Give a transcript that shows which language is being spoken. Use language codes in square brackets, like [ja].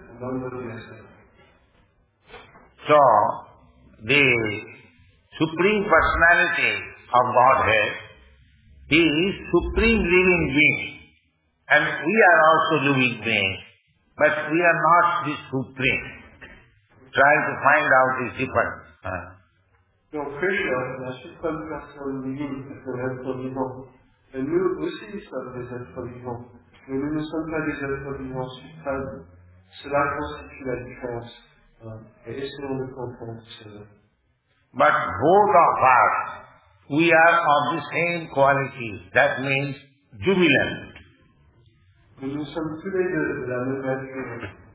[en] so, the Supreme Personality of Godhead, He is Supreme Living Being, and we are also living beings, but we are not the Supreme. Try to find out the difference. So, Krishna, the Supreme Personality of Godhead, and you receive service at [fr] mais nous ne sommes pas des êtres vivants suprêmes. Cela constitue la différence. Et essayons de comprendre cela. [en] But both of us, we are of the same quality. That means jubilant. [fr] Mais nous sommes tous les deux de la même nature.